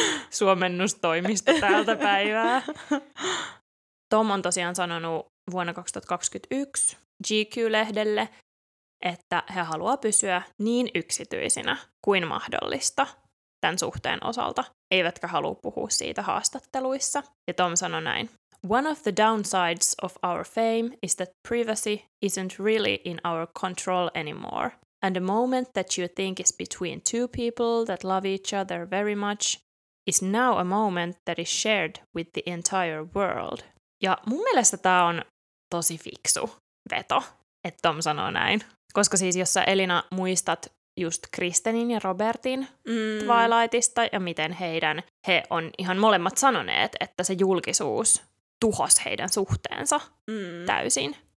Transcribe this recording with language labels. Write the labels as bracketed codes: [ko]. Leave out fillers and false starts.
[fi] Suomennustoimisto täältä päivää. Tom on tosiaan sanonut vuonna 2021 GQ-lehdelle, että he haluaa pysyä niin yksityisinä kuin mahdollista tämän suhteen osalta, eivätkä halua puhua siitä haastatteluissa. Ja Tom sanoi näin. [en] One of the downsides of our fame is that privacy isn't really in our control anymore. And the moment that you think is between two people that love each other very much is now a moment that is shared with the entire world. [fi] Ja mun mielestä tää on tosi fiksu veto, että Tom sanoo näin. Koska siis jos sä Elina muistat just Kristenin ja Robertin Twilightista ja miten heidän, he on ihan molemmat sanoneet, että se julkisuus tuhosi heidän suhteensa täysin.